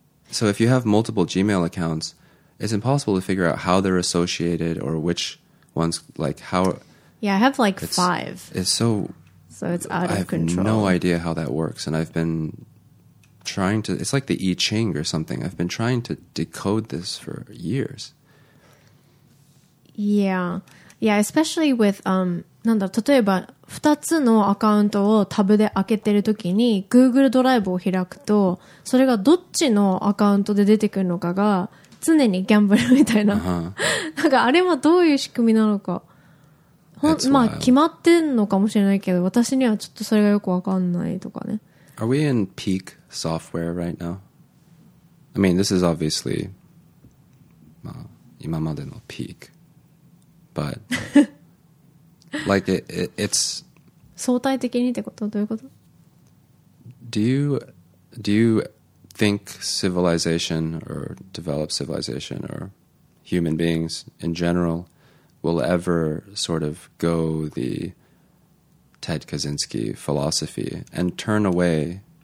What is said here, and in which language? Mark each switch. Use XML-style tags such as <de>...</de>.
<en>So if you have multiple Gmail accounts, it's impossible to figure out how they're associated or which ones, like how... Yeah, I have like five. So it's out of control. I have no idea how that works. And I've been trying to... It's like the I Ching or something. I've been trying to decode this for years. Yeah. Yeah, especially with...</en> <ja>2つのアカウントをタブで開けてるときに Google ドライブを開くと、それがどっちのアカウントで出てくるのかが常にギャンブルみたいな、なんかあれはどういう仕組みなのか、まあ決まってんのかもしれないけど、私にはちょっとそれがよくわかんないとかね。</ja> <en>Are we in peak software right now? I mean, this is obviously、</en> <ja>まあ、今までの</ja> <en>peak, but like it's</en> <ja>相対的にってこと？どういうこと？</ja> <en>Do you think civilization or developed civilization or human beings in general will ever sort of go the Ted Kaczynski philosophy and turn away,</en>